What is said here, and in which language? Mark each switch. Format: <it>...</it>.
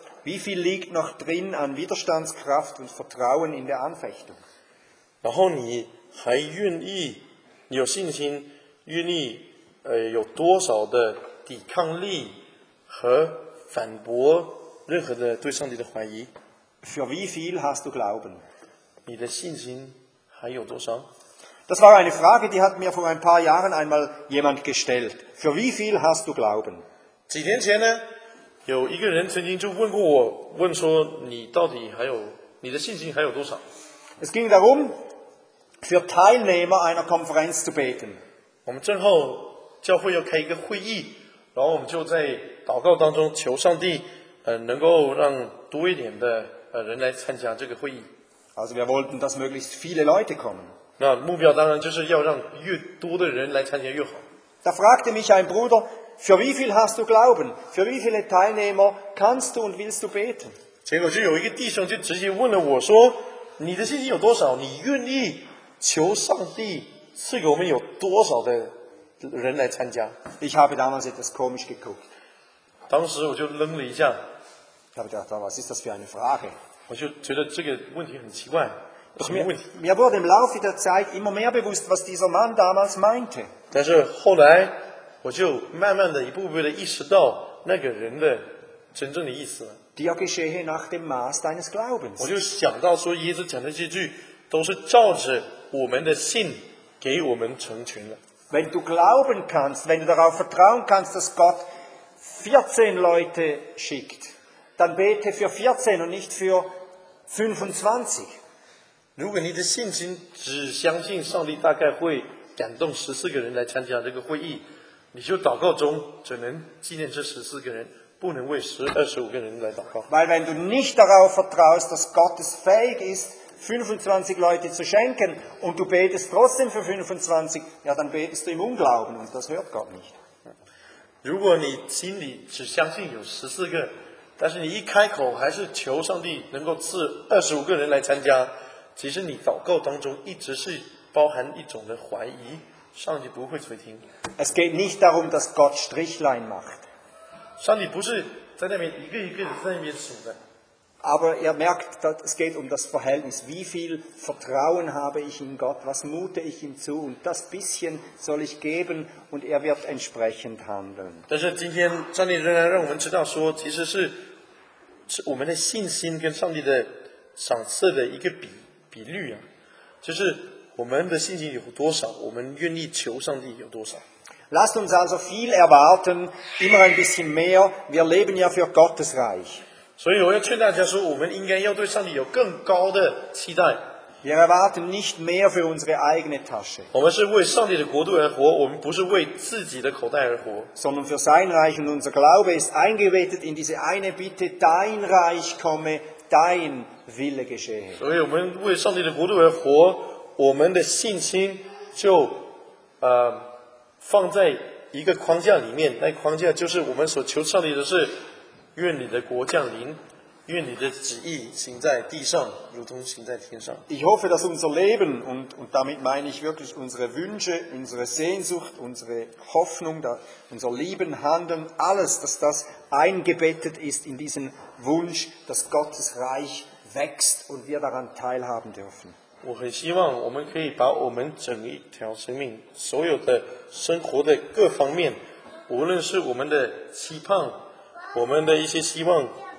<de>Wie viel liegt noch drin an Widerstandskraft und Vertrauen in der Anfechtung?</de> <zh>然后你还愿意，你有信心，愿意有多少的抵抗力和反驳任何的对上帝的怀疑？</zh> <de>Für wie viel hast du Glauben?</de> <zh>你的信心还有多少？</zh> <de>Das war eine Frage, die hat mir vor ein paar Jahren einmal jemand gestellt. Für wie viel hast du Glauben?</de> <zh>几年前呢？有一个人曾经就问过我，问说你到底还有你的信心还有多少？</zh> <de>Es ging darum, für Teilnehmer einer Konferenz zu beten.</de> <zh>我们正好教会要开一个会议，然后我们就在祷告当中求上帝，能够让多一点的人来参加这个会议。</zh> <de>Also wir wollten, dass möglichst viele Leute kommen.</de> <zh>那目标当然就是要让越多的人来参加越好。</zh> <de>Da fragte mich ein Bruder. Für wie viel hast du Glauben? Für wie viele Teilnehmer kannst du und willst du beten?</de> <zh>结果就有一个弟兄就直接问了我说：“你的信心有多少？你愿意求上帝赐给我们有多少的人来参加？”</zh> <de>Ich habe damals etwas komisch geguckt.</de> <zh>当时我就愣了一下。</zh> <de>Ich habe gedacht, was ist das für eine Frage?</de> <zh>我就觉得这个问题很奇怪。什么问题？</zh> <de>Mir wurde im Laufe der Zeit immer mehr bewusst, was dieser Mann damals meinte.</de> <zh>但是后来我就慢慢的一步步的意识到那个人的真正的意思了。</zh> <de>Dir geschehe nach dem Maß deines Glaubens。</de> <zh>我就想到说，耶稣讲的这句都是照着我们的信给我们成全了。</zh> <de>Wenn du glauben kannst, wenn du darauf vertrauen kannst, dass Gott 14 Leute schickt, dann bete für 14 und nicht für 25.</de> <zh>如果你的信心只相信上帝大概会感动14个人来参加这个会议。你就祷告中只能纪念这14个人，不能为25个人来祷告。</zh> <de>Weil wenn du nicht darauf vertraust, dass Gott es fähig ist, 25 Leute zu schenken, und du betest trotzdem für 25, ja, dann betest du im Unglauben, und das hört Gott nicht.</de> <zh>如果你心里只相信有14个，但是你一开口还是求上帝能够赐25个人来参加，其实你祷告当中一直是包含一种的怀疑。上帝不会垂听。</zh> <de>Es geht nicht darum, dass Gott Strichlein macht.</de> <zh>上帝不是在那边一个一个的在那边数的。</zh> <de>Aber ihr merkt, dass es geht um das Verhältnis. Wie viel Vertrauen habe ich in Gott? Was mute ich ihm zu? Und das bisschen soll ich geben, und er wird entsprechend handeln.</de> <zh>但是今天上帝仍然让我们知道说，其实是我们的信心跟上帝的赏赐的一个比率啊，就是。我们的信心有多少？我们愿意求上帝有多少</zh> <de>？Lasst uns also viel erwarten, immer ein bisschen mehr. Wir leben ja für Gottes Reich.</de> <zh>所以我要劝大家说，我们应该要对上帝有更高的期待。</zh> <de>Wir erwarten nicht mehr für unsere eigene Tasche.</de> <zh>我们是为上帝的国度而活，我们不是为自己的口袋而活。</zh> <de>Sondern für sein Reich und unser Glaube ist eingebettet in diese eine Bitte: Dein Reich komme, dein Wille geschehe.</de> <zh>所以我们为上帝的国度而活。我们的信心就放在一个框架里面，那框架就是我们所求上帝的是，愿你的国降临，愿你的旨意行在地上，如同行在天上。</zh> <de>Ich hoffe, dass unser Leben und damit meine ich wirklich unsere Wünsche, unsere Sehnsucht, unsere Hoffnung, unser Leben, Handeln, alles, dass das eingebettet ist in diesen Wunsch, dass Gottes Reich wächst und wir daran teilhaben dürfen.</de> <zh>我很希望我们可以把我们整一条生命，所有的生活的各方面，无论是我们的期盼，我们的一些希望。</zh>